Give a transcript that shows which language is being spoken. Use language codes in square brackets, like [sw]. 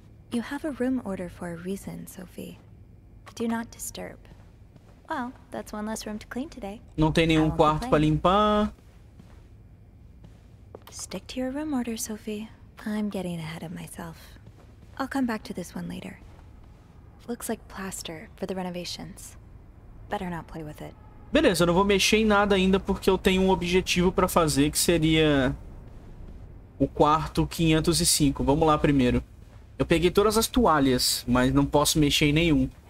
[en] You have a room order for a reason, Sophie. Do not disturb. Well, that's one less room to clean today. [pt] Não tem nenhum quarto para limpar. [en] Stick to your room order, Sophie. I'm getting ahead of myself. I'll come back to this one later. Looks like plaster for the renovations. Better not play with it. [pt] Beleza, eu não vou mexer em nada ainda porque eu tenho um objetivo para fazer, que seria o quarto 505. Vamos lá primeiro. Eu peguei todas as toalhas, mas não posso mexer em nenhum.